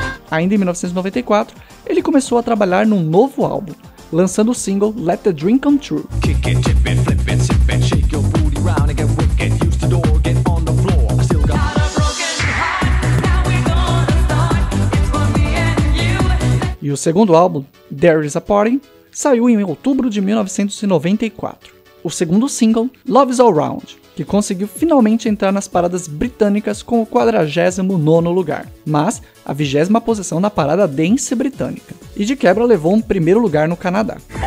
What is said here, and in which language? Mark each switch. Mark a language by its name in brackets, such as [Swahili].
[Portuguese] Ainda em 1994, ele começou a trabalhar num novo álbum, lançando o single Let the Dream Come True. [English] Kick it, tip it, flip it, sip it, shake your booty round and get wicked, use the door, get on the floor. I still got a broken heart, now we're gonna start, it's for me and you. [Portuguese] E o segundo álbum, There Is a Party, saiu em outubro de 1994. O segundo single, Love Is All Round, que conseguiu finalmente entrar nas paradas britânicas com o 49º lugar, mas a 20ª posição na parada dance britânica, e de quebra levou um primeiro lugar no Canadá.